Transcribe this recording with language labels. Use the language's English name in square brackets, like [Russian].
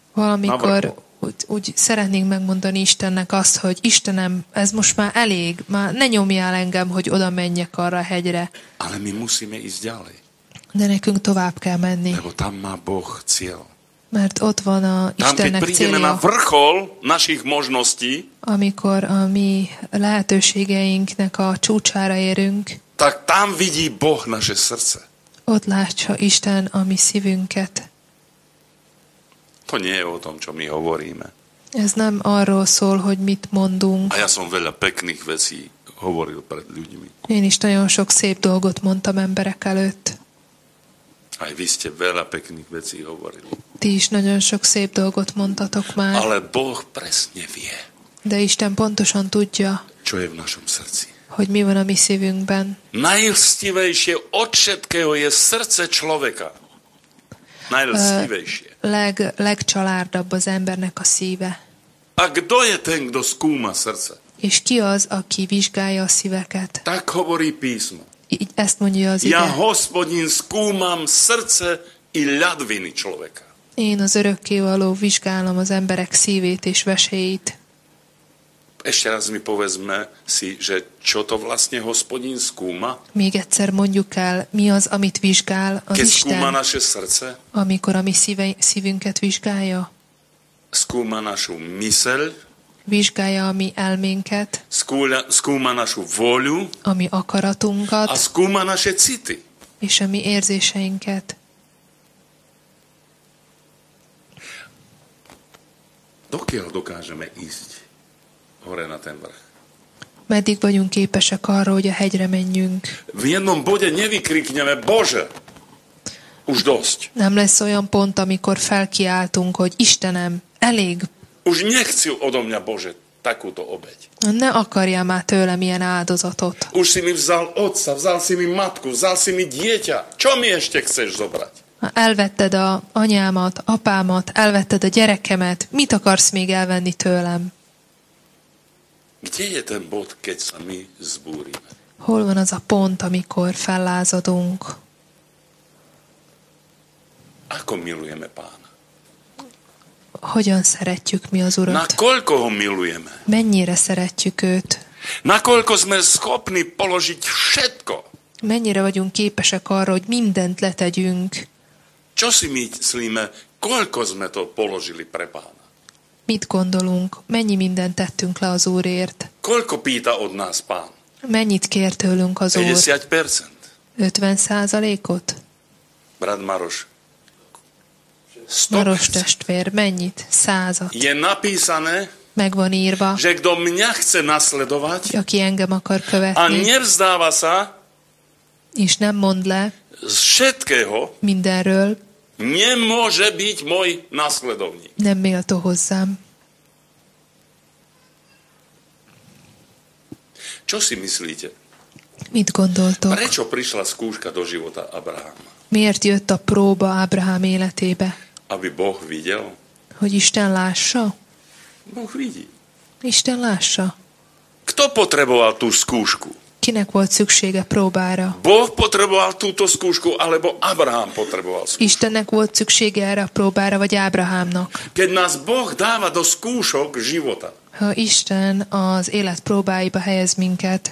[Hungarian] Valamikor úgy szeretnénk megmondani Istennek azt, hogy Istenem, ez most már elég, már ne nyomjál engem, hogy oda menjek arra a hegyre. [Slovak] Ale my musíme ísť ďalej. [Hungarian] De nekünk tovább kell menni. [Slovak] Lebo tam má Boh cieľ. [Hungarian] Mert ott van a Istennek célja. [Slovak] Tam, keď prídeme na vrchol našich možností, [Hungarian] amikor a mi lehetőségeinknek a csúcsára érünk, [Slovak] tak tam vidí Boh naše srdce. [Hungarian] Ott látja Isten a mi szívünket. [Slovak] To nie je o tom, čo my hovoríme. [Hungarian] Ez nem arról szól, hogy mit mondunk. [Slovak] A ja som veľa pekných vecí hovoril pred ľuďmi. [Hungarian] Én is nagyon sok szép dolgot mondtam emberek előtt. [Slovak] Aj vy ste veľa pekných vecí hovorili. [Hungarian] Ty is nagyon sok szép dolgot mondtatok már. [Slovak] Ale Boh presne vie. [Hungarian] De Isten pontosan tudja, [Slovak] čo je v našom srdci. [Hungarian] Hogy mi van a mi szívünkben. [Slovak] Najlstivejšie od všetkého je srdce človeka. Najlstivejšie. [Hungarian] Legcsalárdabb az embernek a szíve. [Slovak] A kdo je ten, kdo skúma srdce? [Hungarian] És ki az, aki vizsgálja a szíveket? [Slovak] Tak hovorí písmo. [Hungarian] Ezt mondja az ige. [Slovak] Ja, Hospodin, skúmam srdce i ľadviny človeka. [Hungarian] Én az örökkévaló vizsgálom az emberek szívét és veséit. [Slovak] Ešte raz mi povedzme si, že čo to vlastne Hospodin skúma? [Hungarian] Még egyszer mondjuk el, mi az, amit vizsgál az [Slovak] Keď [Hungarian] Isten. [Slovak] Keď skúma naše srdce? [Hungarian] Amikor a mi szívünket vizsgálja. [Slovak] Skúma našu myseľ? [Hungarian] Vizsgálja a mi elménket. [Slovak] Skúma našu voľu? [Hungarian] A mi akaratunkat. [Slovak] A skúma naše city? [Hungarian] És a mi érzéseinket. [Slovak] Dokiaľ dokážeme ísť hore na ten vrch? [Hungarian] Meddig vagyunk képesek arra, hogy a hegyre menjünk? [Slovak] V jednom bode nevykrikneme, Bože, už dosť. [Hungarian] Nem lesz olyan pont, amikor felkiáltunk, hogy Istenem, elég. [Slovak] Už nechci odo mňa, Bože, takúto obeť. [Hungarian] Ne akarja má tőlem ilyen áldozatot. [Slovak] Už si mi vzal otca, vzal si mi matku, vzal si mi dieťa. Čo mi ešte chceš zobrať? [Hungarian] Elvetted a anyámat, apámat, elvetted a gyerekemet. Mit akarsz még elvenni tőlem? [Slovak] Kde je ten bod, keď sa my zbúrime? [Hungarian] Hol van az a pont, amikor fellázadunk? [Slovak] Ako milujeme Pána? [Hungarian] Hogyan szeretjük mi az Urat? [Slovak] Na koľko ho milujeme? [Hungarian] Mennyire szeretjük őt? [Slovak] Na koľko sme schopni položiť všetko? [Hungarian] Mennyire vagyunk képesek arra, hogy mindent letegyünk? [Slovak] Čo si myslíme, koľko sme to položili pre Pána? [Hungarian] Mit gondolunk? Mennyi mindent tettünk le az Úrért? [Slovak] Koľko pýta od nás Pán? [Hungarian] Mennyit kér tőlünk az Úr? [Slovak] 50%. [Hungarian] 50%-ot? [Slovak] Brat Maroš, [Hungarian] 100%. Maroš testvér, mennyit? 100%. [Slovak] Je napísané, [Hungarian] megvan írva, [Slovak] že kdo mňa chce nasledovať, [Hungarian] aki engem akar követni, [Slovak] a nevzdáva sa, [Hungarian] és nem mond le, [Slovak] z všetkého, [Hungarian] mindenről, [Slovak] nemôže byť môj nasledovník. [Hungarian] Nem méltó hozzám. [Slovak] Čo si myslíte? [Hungarian] Mit gondoltok? [Slovak] Prečo prišla skúška do života Abraháma? [Hungarian] Miért jött a próba Abraham életébe? [Slovak] Aby Boh videl? [Hungarian] Hogy Isten lássa? [Slovak] Boh vidí. [Hungarian] Isten lássa. [Slovak] Kto potreboval tú skúšku? [Hungarian] Kinek volt szüksége próbára? [Slovak] Boh potreboval túto skúšku, alebo Abraham potreboval skúšku? [Hungarian] Istennek volt szüksége erre a próbára, vagy Ábrahámnak? [Slovak] Keď nás Boh dáva do skúšok života. [Hungarian] Ha Isten az élet próbáiba helyez minket.